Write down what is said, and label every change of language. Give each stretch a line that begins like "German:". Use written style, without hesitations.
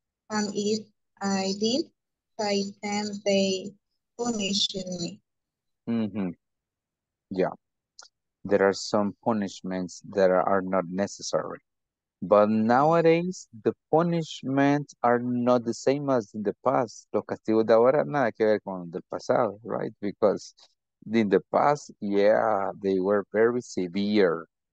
English: And if I did, by then they punished me. Mm-hmm. Yeah. There are some punishments that are not necessary. But nowadays, the punishments are not the same as in the past.
Spanish: Los castigos de ahora nada que ver con del pasado, right?
English: Because in the past, yeah, they were very severe.